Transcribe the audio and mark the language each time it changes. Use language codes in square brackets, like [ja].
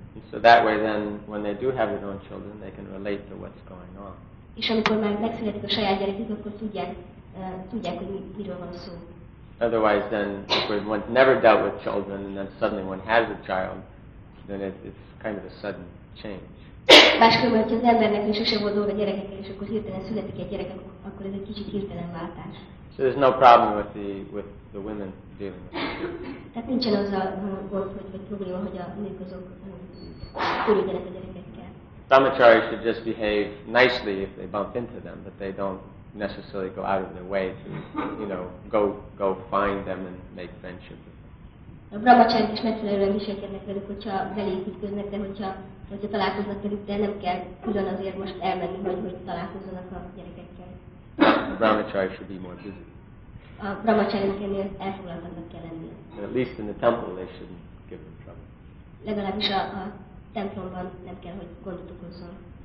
[en] So that way then, when they do have their own children, they can relate to what's going on. Otherwise then, if one's never dealt with children and then suddenly one has a child, then it's kind of a sudden change. [hu] Máskülönben, hogyha az embernek még sosem volt dolga gyerekekkel, és akkor hirtelen születik egy gyerek, akkor ez egy kicsit hirtelen váltás. [en] So there's no problem with the women dealing with it. [hu] Tehát nincsen az a gond, hogy vagy probléma, hogy a nők azok körüljenek a gyerekekkel. [en] Brahmacharis should just behave nicely if they bump into them, but they don't necessarily go out of their way to, you know, go find them and make friendship with them. [hu] A brahmacharik is megfelelően viselkednek velük, hogyha belép ütköznek, de hogyha találkoznak velük, de nem kell külön azért most elmenni, hogy találkozzanak a gyerekekkel. [en] A brahmacharya should be more busy. [hu] A brahmacharinak ennél elfoglaltabbnak kell lennie. [en] At least in the temple they shouldn't give them trouble. [hu] Legalábbis a templomban nem kell, hogy gondot okozzon.